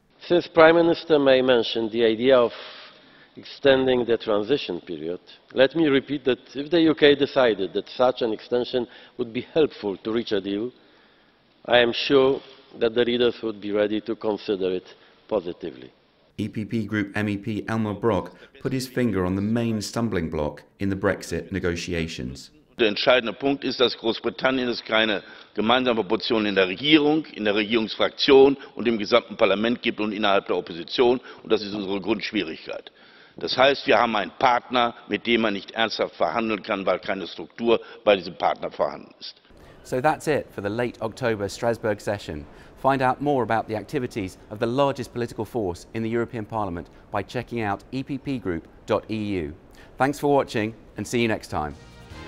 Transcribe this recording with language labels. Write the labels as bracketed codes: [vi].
[en] Since Prime Minister May mentioned the idea of extending the transition period, let me repeat that if the UK decided that such an extension would be helpful to reach a deal, I am sure that the leaders would be ready to consider it positively. EPP Group MEP Elmar Brok put his finger on the main stumbling block in the Brexit negotiations. [de] Der entscheidende Punkt ist, dass Großbritannien es keine gemeinsame Position in der Regierung, in der Regierungsfraktion und im gesamten Parlament gibt und innerhalb der Opposition. Und das ist unsere Grundschwierigkeit. Das heißt, wir haben einen Partner, mit dem man nicht ernsthaft verhandeln kann, weil keine Struktur bei diesem Partner vorhanden ist. [en] So that's it for the late October Strasbourg session. Find out more about the activities of the largest political force in the European Parliament by checking out eppgroup.eu. Thanks for watching and see you next time.